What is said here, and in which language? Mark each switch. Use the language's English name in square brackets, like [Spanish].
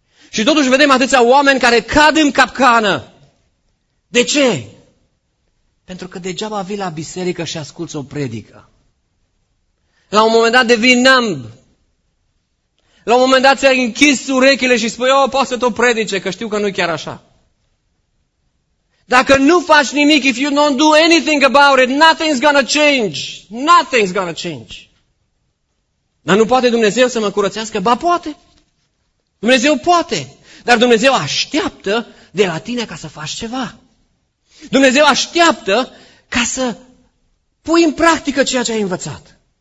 [Romanian] Și totuși vedem atâția oameni care cad în capcană. De ce? Pentru că degeaba vii la biserică și asculți o predică. La un moment dat devii numb. La un moment dat ți-ai închis urechile și spui, oh, poate să tot predice, că știu că nu-i chiar așa. Dacă nu faci nimic, [English] if you don't do anything about it, nothing's gonna change. Nothing's gonna change. [Romanian] Dar nu poate Dumnezeu să mă curățească? Ba, poate. Dumnezeu poate. Dar Dumnezeu așteaptă de la tine ca să faci ceva. Dumnezeu așteaptă ca să pui în practică ceea ce ai învățat.